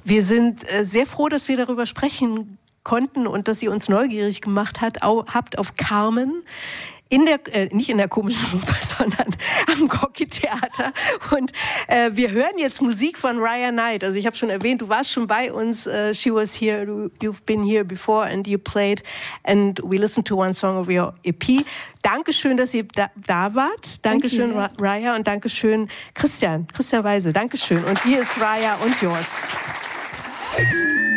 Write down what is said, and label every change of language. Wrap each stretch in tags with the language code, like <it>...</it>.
<de>Wir sind sehr froh, dass wir darüber sprechen konnten und dass Sie uns neugierig gemacht habt auf Carmen. In der nicht in der Komischen Oper, sondern am Gorki-Theater. Und wir hören jetzt Musik von Ryan Knight. Also ich habe schon erwähnt, du warst schon bei uns.</de> <en>She was here, you've been here before and you played. And we listened to one song of your EP.</en> <de>Dankeschön, dass ihr da wart. Dankeschön, Raya. Und dankeschön, Christian Weise. Dankeschön. Und hier ist Raya und yours.</de>